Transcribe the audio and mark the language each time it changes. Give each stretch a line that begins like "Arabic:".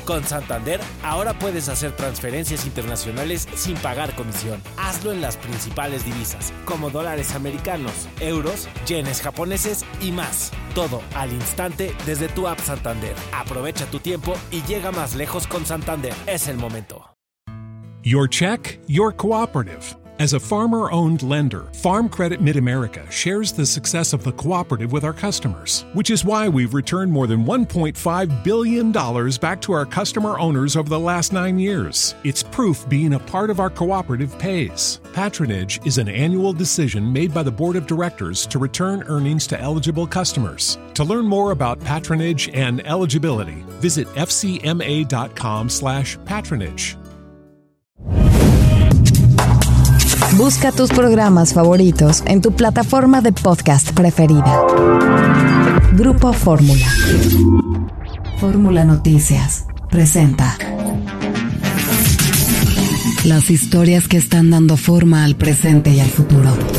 Spanish: Con Santander, ahora puedes hacer transferencias internacionales sin pagar comisión. Hazlo en las principales divisas, como dólares americanos, euros, yenes japoneses y más. Todo al instante desde tu app Santander. Aprovecha tu tiempo y llega más lejos con Santander. Es el momento.
English: Your check, your cooperative. As a farmer-owned lender, Farm Credit Mid-America shares the success of the cooperative with our customers, which is why we've returned more than $1.5 billion back to our customer owners over the last 9 years. It's proof being a part of our cooperative pays. Patronage is an annual decision made by the board of directors to return earnings to eligible customers. To learn more about patronage and eligibility, visit fcma.com/patronage.
Spanish: Busca tus programas favoritos en tu plataforma de podcast preferida. Grupo Fórmula. Fórmula Noticias presenta las historias que están dando forma al presente y al futuro.